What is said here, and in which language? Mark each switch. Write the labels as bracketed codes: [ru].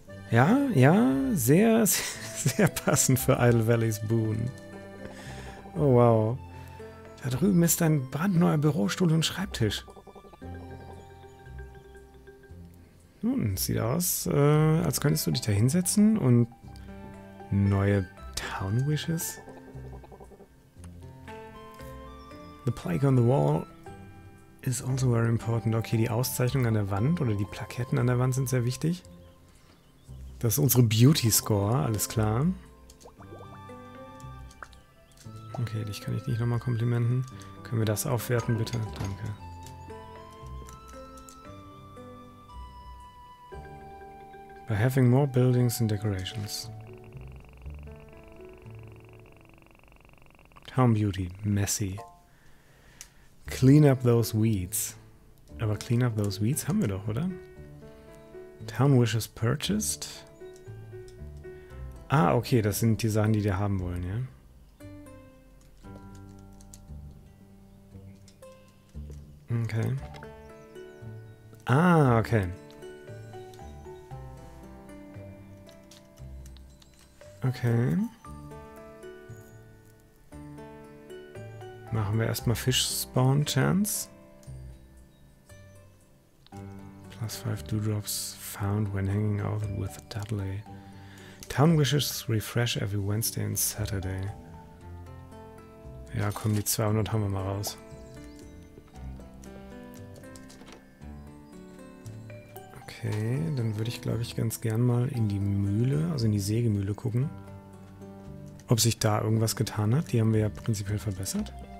[de] Ja, ja, sehr, sehr passend für Idle Valley's Boon. Oh, wow. Da drüben ist ein brandneuer Bürostuhl und Schreibtisch. Nun, sieht aus, als könntest du dich da hinsetzen und neue Town Wishes. [en] The Plaque on the Wall is also very important. [de] Okay, die Auszeichnung an der Wand oder die Plaketten an der Wand sind sehr wichtig. Das ist unsere Beauty Score, alles klar. Okay, dich kann ich nicht nochmal komplimenten. Können wir das aufwerten, bitte? Danke. [en] By having more buildings and decorations. Town Beauty, messy. Clean up those weeds. [de] Aber [en] clean up those weeds [de] haben wir doch, oder? [en] Town Wishes purchased. [de] Ah, okay, das sind die Sachen, die wir haben wollen, ja? Okay. Ah, okay. Okay. Machen wir erstmal Fish Spawn Chance. [en] Plus 5 Dewdrops found when hanging out with Dudley. Town Wishes refresh every Wednesday and Saturday. [de] Ja, komm, die 200 haben wir mal raus. Okay, dann würde ich, glaube ich, ganz gern mal in die Mühle, also in die Sägemühle gucken. Ob sich da irgendwas getan hat. Die haben wir ja prinzipiell verbessert.